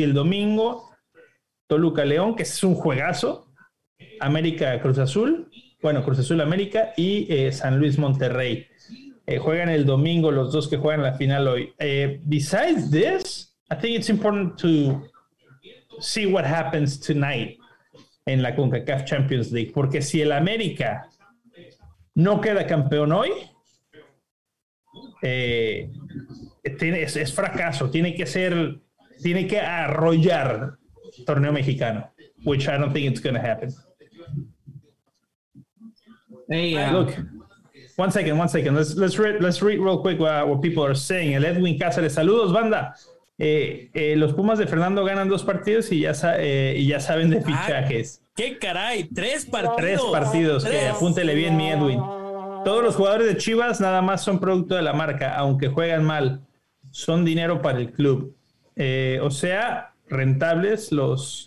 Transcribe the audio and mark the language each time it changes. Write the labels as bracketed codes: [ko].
[es] Y el domingo, Toluca León, que es un juegazo. América Cruz Azul. Bueno, Cruz Azul América y San Luis Monterrey. Juegan el domingo los dos que juegan la final hoy. [en] Besides this, I think it's important to see what happens tonight en la CONCACAF Champions League. [es] Porque si el América no queda campeón hoy, es fracaso, tiene que arrollar torneo mexicano, [en] which I don't think it's going to happen. Hey, look, one second, let's read real quick what people are saying. [es] El Edwin Cáceres, saludos, banda. Los Pumas de Fernando ganan dos partidos y ya saben de fichajes. ¿Qué caray? Tres partidos. Que apúntele bien, mi Edwin. Todos los jugadores de Chivas nada más son producto de la marca, aunque juegan mal. Son dinero para el club. O sea, rentables los...